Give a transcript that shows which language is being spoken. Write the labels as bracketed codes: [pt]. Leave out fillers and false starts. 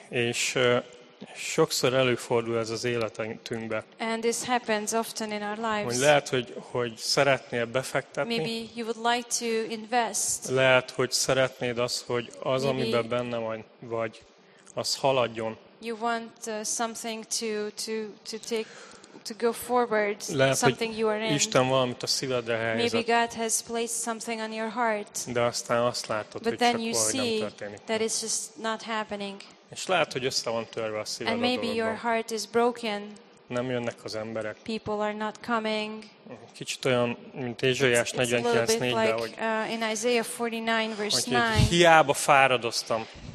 [hu] És sokszor előfordul ez az életünkbe. [en] And this happens often in our lives. [hu] Hogy lehet, hogy szeretnél befektetni. [en] Maybe you would like to invest. [hu] Lehet, hogy szeretnéd azt, hogy az, [en] maybe [hu] amiben benne vagy, az haladjon. [en] You want something to take to go forward. [hu] Lehet, [en] something [hu] hogy [en] you are in. [hu] Isten valamit a szívedre helyezett. [en] Maybe God has placed something on your heart. [hu] De aztán azt látod, [en] but [hu] hogy csak valami nem történik. [en] That it's just not happening. [hu] És lehet, hogy össze van törve a szíved a dologban. [en] And maybe your heart is broken. [hu] Nem jönnek az emberek. [en] People are not coming. [hu] Kicsit olyan, mint Ézsaiás 49:4-ben, hogy hiába fáradoztam.